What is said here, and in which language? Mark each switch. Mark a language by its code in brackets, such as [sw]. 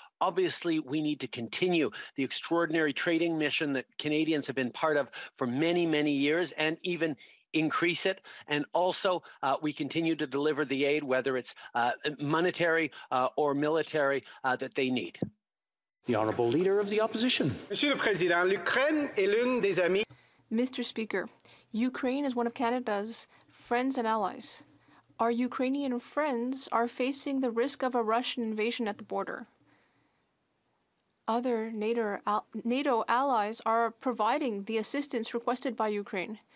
[en] Obviously, we need to continue the extraordinary trading mission that Canadians have been part of for many, many years, and even increase it. And also, we continue to deliver the aid, whether it's monetary or military, that they need. The Honourable Leader of the Opposition. [fr] Monsieur le Président, l'Ukraine est l'une des amis. [en] Mr. Speaker, Ukraine is one of Canada's friends and allies. Our Ukrainian friends are facing the risk of a Russian invasion at the border. Other NATO allies are providing the assistance requested by Ukraine.